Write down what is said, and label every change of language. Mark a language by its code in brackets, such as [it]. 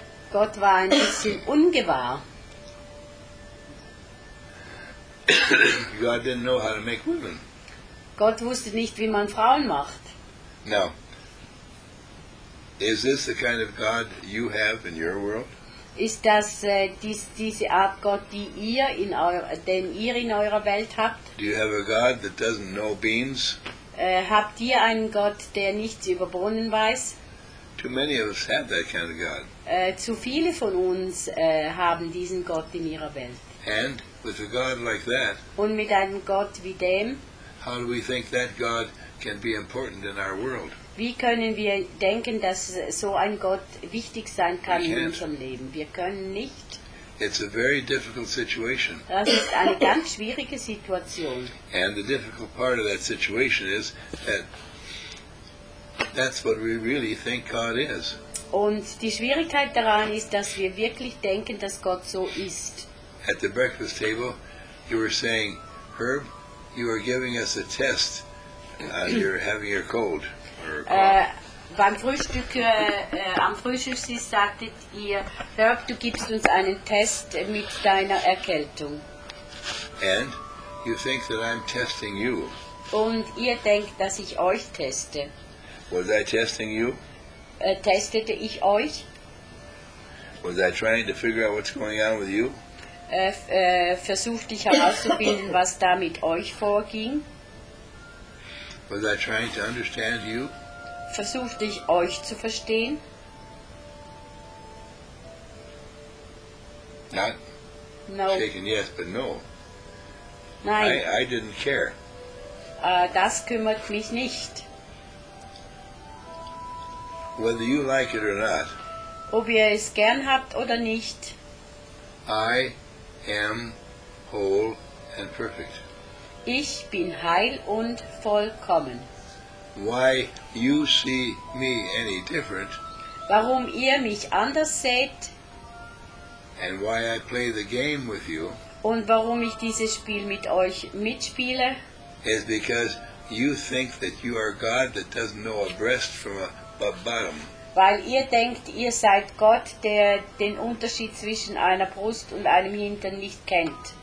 [de] Gott war ein bisschen ungewahr. [en] God didn't know how to make women. [de] Gott wusste nicht, wie man Frauen macht. [en] Now, is this the kind of God you have in your world? [de] Ist das diese Art Gott, die ihr in den ihr in eurer Welt habt? [en] Do you have a God that doesn't know beans? [de] Habt ihr einen Gott, der nichts über Bohnen weiß? [en] Too many of us have that kind of God. [de] Zu viele von uns haben diesen Gott in ihrer Welt. [en] And with a God like that, [de] und mit einem Gott wie dem, [en] how do we think that God can be important in our world? [de] Wie können wir denken, dass so ein Gott wichtig sein kann in unserem Leben? Wir können nicht. [en] It's a very difficult situation. [de] Das ist eine ganz schwierige Situation. [en] And the difficult part of that situation is that that's what we really think God is. [de] Und die Schwierigkeit daran ist, dass wir wirklich denken, dass Gott so ist. [en] At the breakfast table, you were saying, Herb, you are giving us a test. You're having your cold. [de] Beim Frühstück am Frühstückstisch sagtet ihr, Herb, du gibst uns einen Test mit deiner Erkältung. [en] And you think that I'm testing you. [de] Und ihr denkt, dass ich euch teste. [en] Was I testing you? [de] Testete ich euch? [en] Was I trying to figure out what's going on with you? [de] Versuchte ich herauszufinden, was da mit euch vorging? [en] Was I trying to understand you? [de] Versuchte ich euch zu verstehen? [en] Not no. Shaking yes, but no. [de] Nein. [en] I didn't care. [de] Das kümmert mich nicht. [en] Whether you like it or not. [de] Ob ihr es gern habt oder nicht. [en] I am whole and perfect. [de] Ich bin heil und vollkommen. [en] Why you see me any different? [de] Warum ihr mich anders seht? [en] And why I play the game with you? [de] Und warum ich dieses Spiel mit euch mitspiele? [en] Is because you think that you are God that doesn't know a breast from a bottom. [de] Weil ihr denkt, ihr seid Gott, der den Unterschied zwischen einer Brust und einem Hintern nicht kennt.